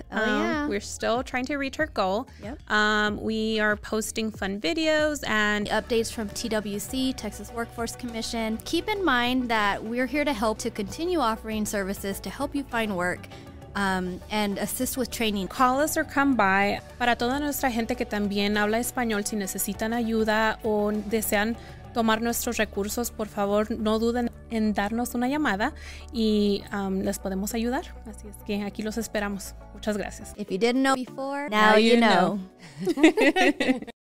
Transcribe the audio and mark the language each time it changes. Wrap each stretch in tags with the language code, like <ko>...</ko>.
<en>Oh, yeah. We're still trying to reach our goal. Yep. We are posting fun videos and updates from TWC, Texas Workforce Commission. Keep in mind that we're here to help to continue offering services to help you find work. And assist with training. Call us or come by.</en> <es>Para toda nuestra gente que también habla español, si necesitan ayuda o desean tomar nuestros recursos, por favor, no duden en darnos una llamada y les podemos ayudar. Así es que aquí los esperamos. Muchas gracias.</es> <en>If you didn't know before, now you know.</en>